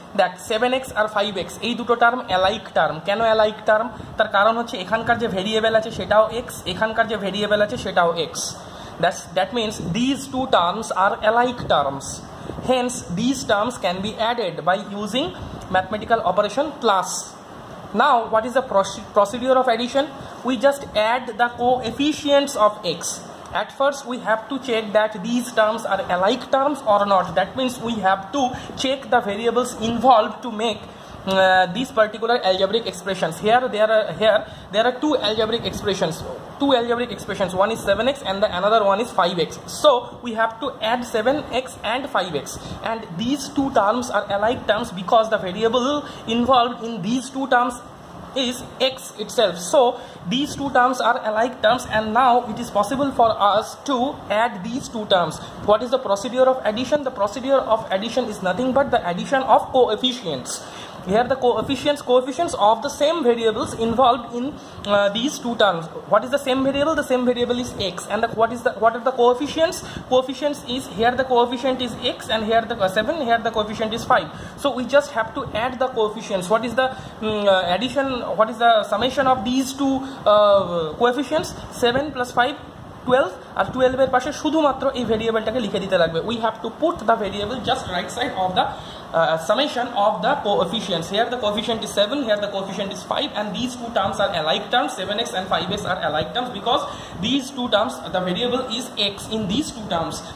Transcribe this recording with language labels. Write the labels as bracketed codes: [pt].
[bn] দেখ, 7x আর 5x এই দুটো টার্ম অ্যালাইক টার্ম, কেন অ্যালাইক টার্ম, তার কারণ হচ্ছে এখানকার যে ভেরিয়েবল আছে সেটাও এক্স, এখানকার যে ভেরিয়েবল আছে সেটাও x, [en] That means these two terms are alike terms, hence these terms can be added by using mathematical operation plus. Now what is the procedure of addition, we just add the coefficients of x. At first, we have to check that these terms are alike terms or not. That means we have to check the variables involved to make these particular algebraic expressions. Here there are two algebraic expressions. Two algebraic expressions. One is 7x and the another one is 5x. So, we have to add 7x and 5x. And these two terms are alike terms because the variable involved in these two terms is x itself. So, these two terms are alike terms and now it is possible for us to add these two terms. What is the procedure of addition? The procedure of addition is nothing but the addition of coefficients. Here the coefficients of the same variables involved in these two terms. What is the same variable? The same variable is x. And what are the coefficients? Coefficients is, here the coefficient is x and here the 7, here the coefficient is 5. So we just have to add the coefficients. What is the addition, what is the summation of these two coefficients? 7 plus 5. [bn] 12 আর 12 এর পাশে শুধুমাত্র এই ভেরিয়েবলটাকে লিখে দিতে লাগবে। [en] We have to put the variable just right side of the summation of the coefficients. Here the coefficient is 7, here the coefficient is 5 and these two terms are alike terms, 7x and 5x are alike terms because these two terms the variable is x in these two terms.